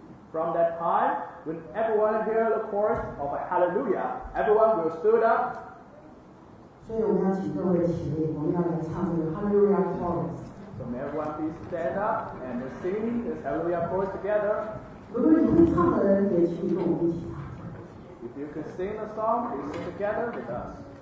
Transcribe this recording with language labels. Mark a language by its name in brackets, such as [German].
[English] From that time, when everyone hear the chorus of a Hallelujah, everyone will stood up. [Chinese] 所以我们要请各位起立，我们要来唱这个 Hallelujah Chorus. [English] So may everyone please stand up and sing this Hallelujah Chorus together. [Chinese] 如果你会唱的人，也请跟我们一起唱。 [English] If you can sing a song, please sing together with us.